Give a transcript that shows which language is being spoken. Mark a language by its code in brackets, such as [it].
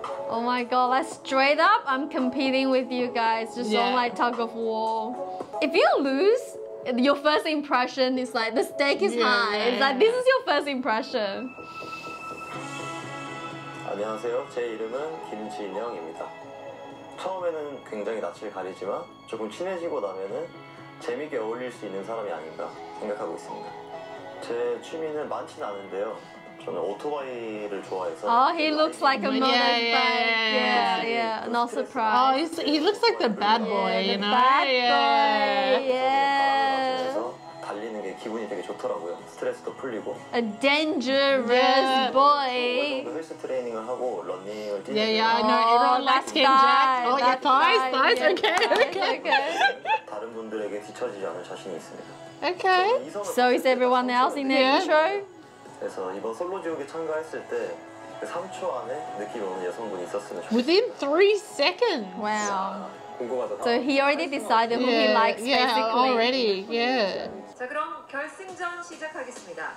[en] Oh my god, like straight up, I'm competing with you guys. Just on like tug of war. If you lose, your first impression is like, the stake is high. Yeah. It's like, this is your first impression. [ko] 안녕하세요, 제 이름은 김진영입니다. 처음에는 굉장히 낯을 가리지만 조금 친해지고 나면은 재미있게 어울릴 수 있는 사람이 아닌가 생각하고 있습니다. 제 취미는 많진 않은데요. 저는 오토바이를 좋아해서. [en] Oh, he looks like a motorbike. Yeah. Not surprised. Oh, he looks like the bad boy. Yeah, you know? The bad boy. Yeah. [ko] 달리는 게 기분이 되게 좋더라고요. 스트레스도 풀리고. [en] A dangerous boy. [ko] 헬스 트레이닝을 하고 러닝을 뛰는. [en] Yeah, I know. Everyone likes King Jack. Oh, yeah, thighs. Okay. [ko] 다른 분들에게 뒤처지지 않을 자신이 있습니다. [en] Okay. So is everyone else in the intro? [ko] 그래서 이번 솔로지옥에 참가했을 때 3초 안에 느낌 오는 여성분이 있었으면 좋겠어요. [en] Within 3 seconds. Wow. So he already decided who he likes basically. Yeah, already. Yeah. [ko] 자 그럼 결승전 시작하겠습니다.